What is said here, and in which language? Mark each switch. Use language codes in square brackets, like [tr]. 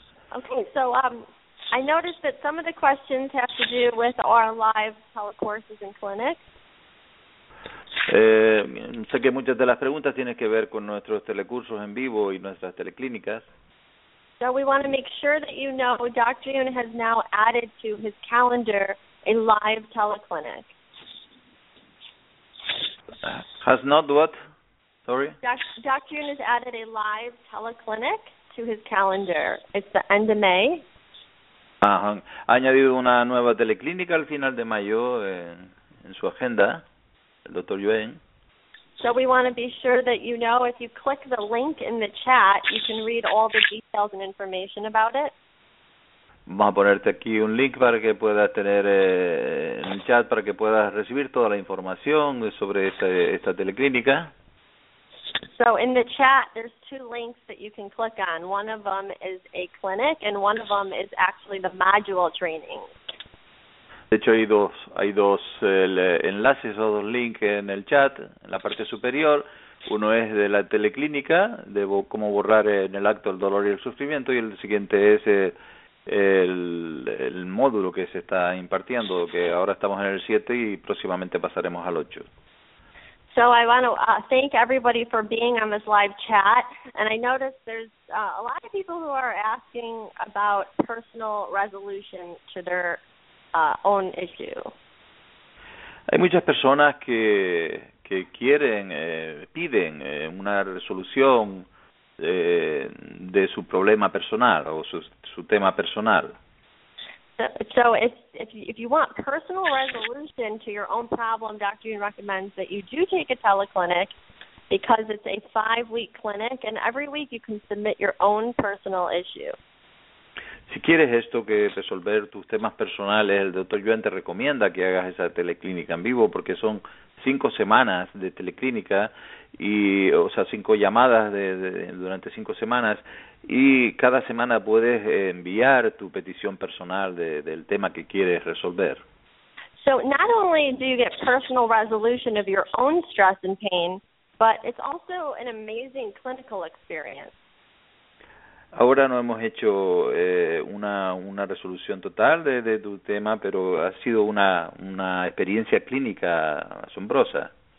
[en] Okay, so I noticed that some of the questions have to do with our live telecourses and clinics. [es] Sé que muchas de las preguntas tienen que ver con nuestros telecursos en vivo y nuestras teleclínicas. [en] So we want to make sure that you know Dr. Yun has now added to his calendar a live teleclinic. Has not what? Sorry? Dr. Yun has added a live teleclinic to his calendar. It's the end of May. [es] Ha añadido una nueva teleclínica al final de mayo en su agenda, el Dr. Yuen. [en] So we want to be sure that you know if you click the link in the chat, you can read all the details and information about it. [es] Vamos a ponerte aquí un link para que puedas tener en el chat, para que puedas recibir toda la información sobre esta teleclínica. [en] So in the chat, there's two links that you can click on. One of them is a clinic, and one of them is actually the module training. [es] De hecho, hay dos enlaces o dos links en el chat, en la parte superior. Uno es de la teleclínica, de cómo borrar en el acto el dolor y el sufrimiento, y el siguiente es el módulo que se está impartiendo, que ahora estamos en el 7 y próximamente pasaremos al 8. [en] So I want to thank everybody for being on this live chat. And I noticed there's a lot of people who are asking about personal resolution to their own issue. [es] Hay muchas personas que quieren, piden una resolución de su problema personal o su tema personal. [en] So if you want personal resolution to your own problem, Dr. Yun recommends that you do take a teleclinic because it's a 5-week clinic, and every week you can submit your own personal issue. [es] Si quieres esto, que resolver tus temas personales, el Dr. Yuen te recomienda que hagas esa teleclínica en vivo porque son 5 semanas de teleclínica, y o sea, 5 llamadas durante 5 semanas, y cada semana puedes enviar tu petición personal del tema que quieres resolver. [en] So not only do you get personal resolution of your own stress and pain, but it's also an amazing clinical experience. [es] Ahora no hemos hecho una resolución total de tu tema, pero ha sido una experiencia clínica asombrosa.